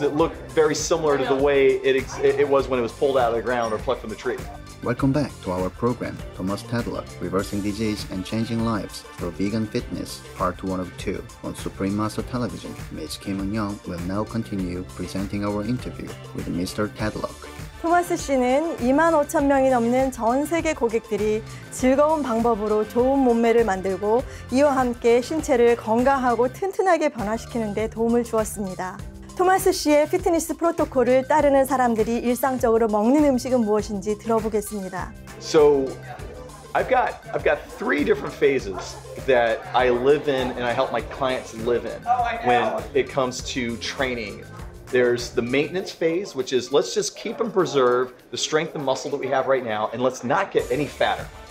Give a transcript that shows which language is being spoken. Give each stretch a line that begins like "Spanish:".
English: 이 foods that look very similar to the way it was when it was pulled out of the ground or plucked from the tree. Welcome back to our program, Thomas Tadlock, Reversing Disease and Changing Lives Through Vegan Fitness, Part 1 of 2 on Supreme Master Television. Ms. Kim Eun-young will now continue presenting our interview with Mr. Tadlock.
Korean: 토마스 씨는 2만 5천 명이 넘는 전 세계 고객들이 즐거운 방법으로 좋은 몸매를 만들고 이와 함께 신체를 건강하고 튼튼하게 변화시키는 데 도움을 주었습니다. 토마스 씨의 피트니스 프로토콜을 따르는 사람들이 일상적으로 먹는 음식은 무엇인지 들어보겠습니다.
English: So I've got three different phases that I live in and I help my clients live in when it comes to training. There's the maintenance phase, which is let's just keep and preserve the strength and muscle that we have right now and let's not get any fatter.